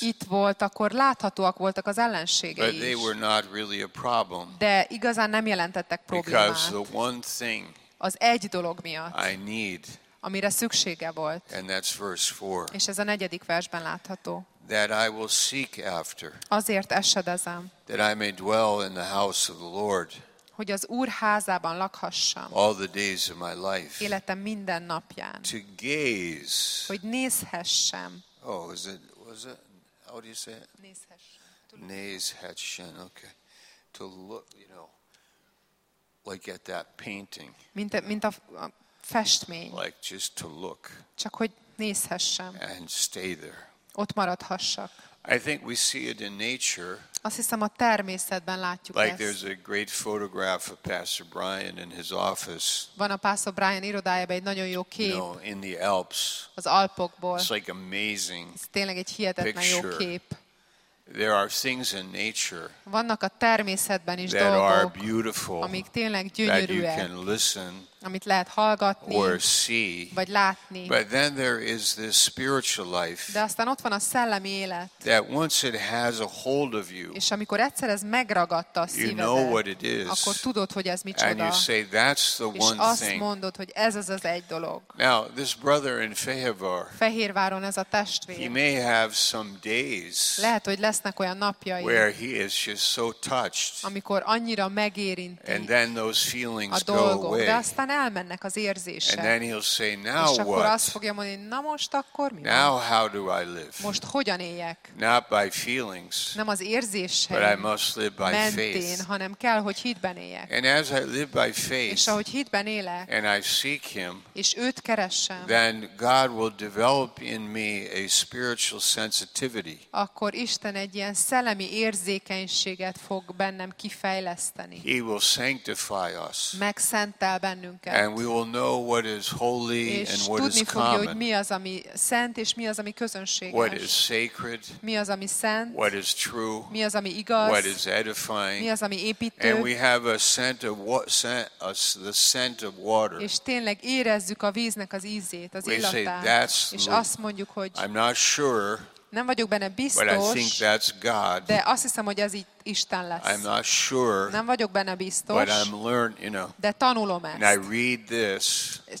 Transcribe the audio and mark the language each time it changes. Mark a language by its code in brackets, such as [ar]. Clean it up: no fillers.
[hu] Itt volt, akkor láthatóak voltak az ellenségei. [en] But they were not really a problem. [hu] De igazán nem jelentettek problémát. [en] Because the one thing. [hu] Az egy dolog miatt. [en] I need. [hu] Amire szüksége volt. [en] And that's verse 4. [hu] És ez a negyedik versben látható. [en] That I will seek after. [hu] Azért esedezem. [en] That I may dwell in the house of the Lord. [hu] hogy az Úr házában lakhassam. [en] All the days of my life. [hu] Életem minden napján. [en] To gaze. [hu] Hogy nézhessem. [en] Oh, is it, was it, how do you say it? [hu] Nézhessen, [en] okay. To look, you know, like at that painting. [hu] Mint a festmény. [en] Like just to look. [hu] Csak hogy nézhessem. [en] And stay there. [hu] Ott maradhassak. [en] I think we see it in nature. [hu] Azt hiszem, a természetben látjuk [en] like [hu] ezt. [en] There's a great photograph of Pastor Brian in his office. [hu] Van a Pastor Brian irodájában egy nagyon jó kép. [en] You know, in the Alps. [hu] Az Alpokból. [en] It's like amazing. [hu] Ez tényleg egy hihetetlen jó kép. [en] There are things in nature. [hu] Vannak a természetben is [en] that [hu] dolgok. [en] Are beautiful. [hu] Amik tényleg gyönyörűek. [en] That you can listen. [hu] Amit lehet hallgatni. [en] Or see. [hu] Vagy látni. [en] But then there is this spiritual life. [hu] De aztán ott van a szellemi élet. [en] That once it has a hold of you. [hu] És amikor egyszer ez megragadta a szívedet. [en] You know what it is. [hu] Akkor tudod, hogy ez micsoda. [en] And you say that's the one thing. [hu] És azt mondod, hogy ez az az egy dolog. [en] Now this brother in Fehérvár. [hu] Fehérváron ez a testvér. [en] He may have some days. [hu] Lehet, hogy lesznek olyan napjai. [en] Where he is just so touched. [hu] Amikor annyira megérinti. [en] And then those feelings [hu] a dolgok, [en] go away. [hu] Elmennek az érzések. [en] And then he'll say, now [hu] és akkor [en] what? [hu] Azt fogja mondani, na most akkor mi [en] now [hu] van? [en] How do I live? [hu] Most hogyan éljek? [en] Not by feelings, [hu] nem az érzéseim [en] but I must live by [hu] mentén, [en] faith. [hu] Hanem kell, hogy hitben éljek. [en] And as I live by faith, [hu] és ahogy hitben élek, [en] and I seek him, [hu] és őt keressem, [en] then God will develop in me a spiritual sensitivity. [hu] Akkor Isten egy ilyen szellemi érzékenységet fog bennem kifejleszteni. [en] He will sanctify us. [hu] Megszentel bennünk. [en] And we will know what is holy and what is common. [hu] Tudni fogja, mi az, ami szent, és mi az, ami közönséges. [en] What is sacred. [hu] Mi az, ami szent. [en] What is true. [hu] Mi az, ami igaz. [en] What is edifying. [hu] Mi az, ami építő. [en] And we have a scent of what scent, the scent of water. [hu] És tényleg érezzük a víznek az ízét, az illatát. És azt mondjuk, hogy [en] I'm not sure. [hu] Nem vagyok benne biztos. [en] But I think that's God. [hu] De azt hiszem, hogy ez itt Isten lesz. [en] I'm not sure. [hu] Nem vagyok benne biztos. [en] But I'm learned, you know. [hu] De tanulom ezt. [en] And I read this.